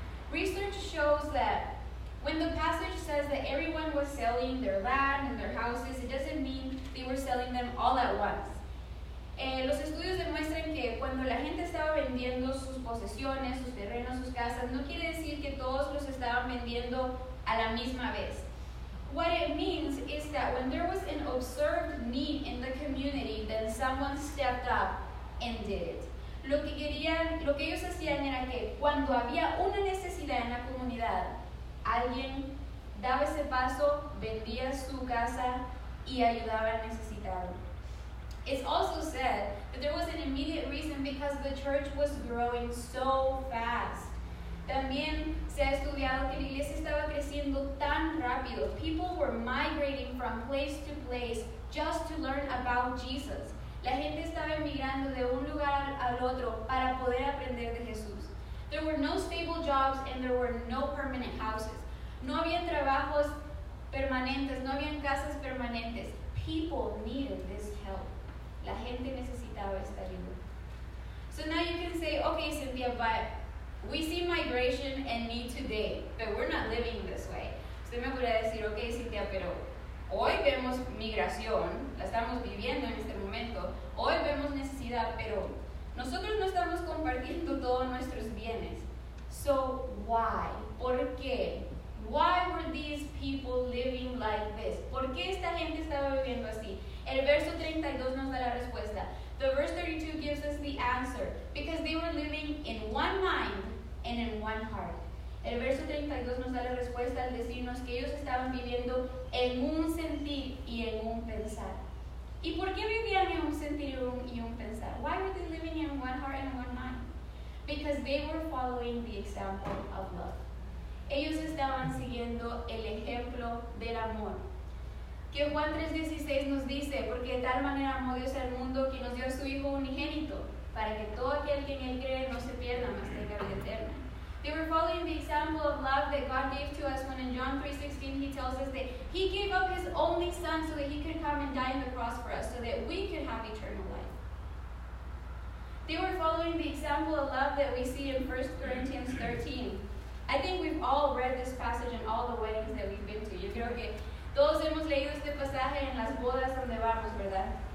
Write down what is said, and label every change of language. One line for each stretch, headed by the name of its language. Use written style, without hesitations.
English: Research shows that when the passage says that everyone was selling their land and their houses, it doesn't mean they were selling them all at once.
Spanish: Los estudios demuestran que cuando la gente estaba vendiendo sus posesiones, sus terrenos, sus casas, no quiere decir que todos los estaban vendiendo a la misma vez.
English: What it means is that when there was an observed need in the community, then someone stepped up and did it.
Spanish: Lo que ellos hacían era que cuando había una necesidad en la comunidad, alguien daba ese paso, vendía su casa y ayudaba al necesitado.
English: It's also said that there was an immediate reason because the church was growing so fast.
Spanish: También se ha estudiado que la iglesia estaba creciendo tan rápido.
English: People were migrating from place to place just to learn about Jesus.
Spanish: La gente estaba emigrando de un lugar al otro para poder aprender de Jesús.
English: There were no stable jobs and there were no permanent houses.
Spanish: No habían trabajos permanentes, no habían casas permanentes.
English: People needed this help.
Spanish: La gente necesitaba esta ayuda.
English: So now you can say, okay, Cynthia, but we see migration and need today, but we're not living this way.
Spanish: Usted me podría decir, ok, Cynthia, pero hoy vemos migración, la estamos viviendo en este momento, hoy vemos necesidad, pero nosotros no estamos compartiendo todos nuestros bienes.
English: So why?
Spanish: ¿Por qué?
English: Why were these people living like this?
Spanish: ¿Por qué esta gente estaba viviendo así? El verso 32 nos da la respuesta.
English: The verse 32 gives us the answer. Because they were living in one mind and in one heart.
Spanish: El verso 32 nos da la respuesta al decirnos que ellos estaban viviendo en un sentir y en un pensar. ¿Y por qué vivían en un sentir y un pensar?
English: Why were they living in one heart and one mind? Because they were following the example of love.
Spanish: Ellos estaban siguiendo el ejemplo del amor. Que Juan 3:16 nos dice, porque de tal manera amó Dios al mundo que nos dio a su Hijo unigénito, para que todo aquel que en él cree no se pierda, mas tenga vida eterna.
English: They were following the example of love that God gave to us when in John 3:16 he tells us that he gave up his only son so that he could come and die on the cross for us, so that we could have eternal life. They were following the example of love that we see in 1 Corinthians 13. I think we've all read this passage in all the weddings that we've been to.
Spanish: Yo creo que todos hemos leído este pasaje en las bodas donde vamos, ¿verdad?